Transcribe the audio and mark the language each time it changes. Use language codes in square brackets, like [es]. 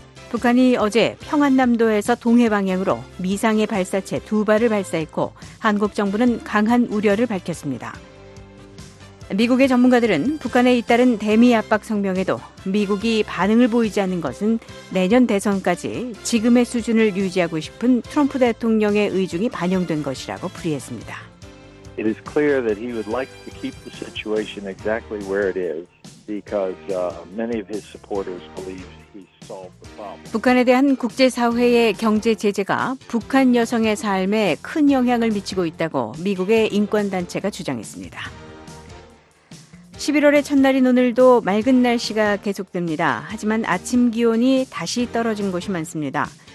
[ko] 북한이 어제 평안남도에서 동해 방향으로 미상의 발사체 두 발을 발사했고 한국 정부는 강한 우려를 밝혔습니다. 미국의 전문가들은 북한의 잇따른 대미 압박 성명에도 미국이 반응을 보이지 않는 것은 내년 대선까지 지금의 수준을 유지하고 싶은 트럼프 대통령의 의중이 반영된 것이라고 풀이했습니다. [en] It is clear that he would like to keep the situation exactly where it is because many of his supporters believe he solved the problem. [ko] 북한에 대한 국제 사회의 경제 제재가 북한 여성의 삶에 큰 영향을 미치고 있다고 미국의 인권 단체가 주장했습니다. 11월의 첫날인 오늘도 맑은 날씨가 계속됩니다. 하지만 아침 기온이 다시 떨어진 곳이 많습니다.